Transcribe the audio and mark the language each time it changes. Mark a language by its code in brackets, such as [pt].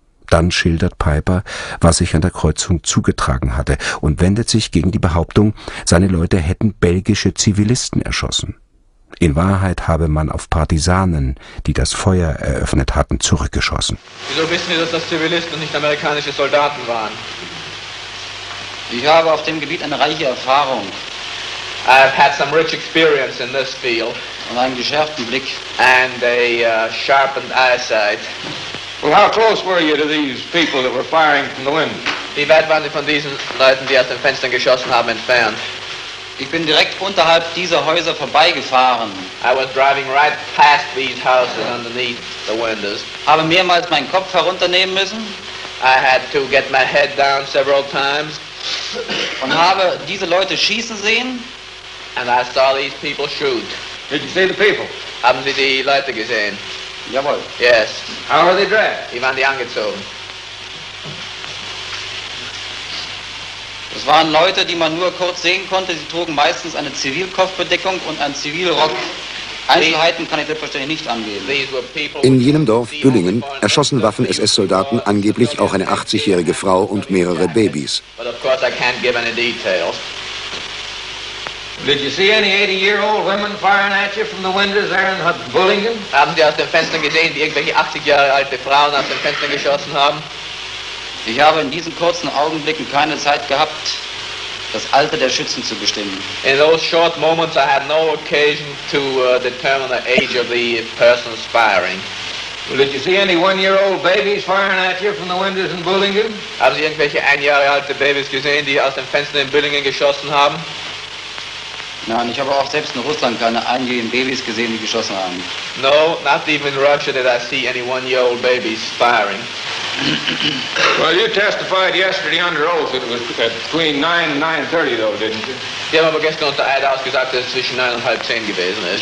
[de] Dann schildert Piper, was sich an der Kreuzung zugetragen hatte, und wendet sich gegen die Behauptung, seine Leute hätten belgische Zivilisten erschossen. In Wahrheit habe man auf Partisanen, die das Feuer eröffnet hatten, zurückgeschossen. Wieso wissen Sie, dass das Zivilisten und nicht amerikanische Soldaten waren? Ich habe auf dem Gebiet eine reiche Erfahrung. [en] I've had some rich experience in this field. [de] Und einen geschärften Blick. [en] And a sharpened eyesight. Well, how close were you to these people that were firing from the window? [de] Wie weit waren Sie von diesen Leuten, die aus den Fenstern geschossen haben, entfernt? Ich bin direkt unterhalb dieser Häuser vorbeigefahren. [en] I was driving right past these houses underneath the windows. [de] Habe mehrmals meinen Kopf herunternehmen müssen. [en] I had to get my head down several times. [de] Und habe diese Leute schießen sehen. [en] And I saw these people shoot. Did you see the people? [de] Haben Sie die Leute gesehen? Jawohl. [en] Yes. How were they dressed? [de] Wie waren die angezogen? Es waren Leute, die man nur kurz sehen konnte. Sie trugen meistens eine Zivilkopfbedeckung und einen Zivilrock. Einzelheiten kann ich selbstverständlich nicht angeben. In jenem Dorf Büllingen erschossen Waffen-SS-Soldaten angeblich auch eine 80-jährige Frau und mehrere Babys. [en] But of course I can't give any details. Did you see any 80-year-old women firing at you from the windows there in Büllingen? [de] Haben Sie aus den Fenstern gesehen, wie irgendwelche 80-jährige alte Frauen aus den Fenstern geschossen haben? Ich habe in diesen kurzen Augenblicken keine Zeit gehabt, das Alter der Schützen zu bestimmen. [en] In those short moments I had no occasion to determine the age of the persons firing. Well, did you see any one-year-old babies firing at you from the windows in Büllingen? [de] Haben Sie irgendwelche einjährige alte Babys gesehen, die aus den Fenstern in Büllingen geschossen haben? Nein, ich habe auch selbst in Russland keine einjährigen Babys gesehen, die geschossen haben. [en] No, not even in Russia did I see any one-year-old babies firing. Well, you testified yesterday under oath it was between 9 and 9:30, though, didn't you? [de] Ich habe gestern unter Eid ausgesagt, dass es zwischen 9 und halb 10 gewesen ist.